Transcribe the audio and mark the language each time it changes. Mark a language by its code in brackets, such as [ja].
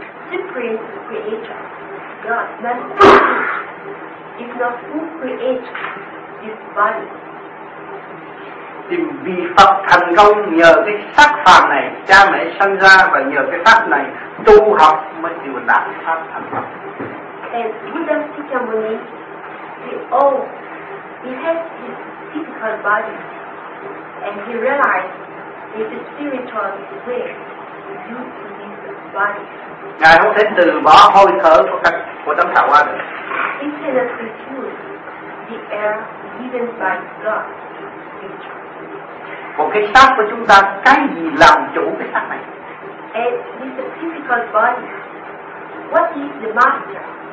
[en] Supreme Creator, God, man, if not who creates this body? [vi] Thì vì Phật thành công nhờ cái xác phàm này, cha mẹ sinh ra và nhờ cái xác này tu học mới điều đạt pháp thành công. [en] And Buddha Sakyamuni, he had his physical body, and he realized that the spiritual way is used to this body. [vi] Ngài không thể từ bỏ hơi thở của tấm thảo hoa được. [en] He cannot refuse the air given by God. [vi] Còn cái xác của chúng ta, cái gì làm chủ cái xác này? [en] And this physical body, what is the master?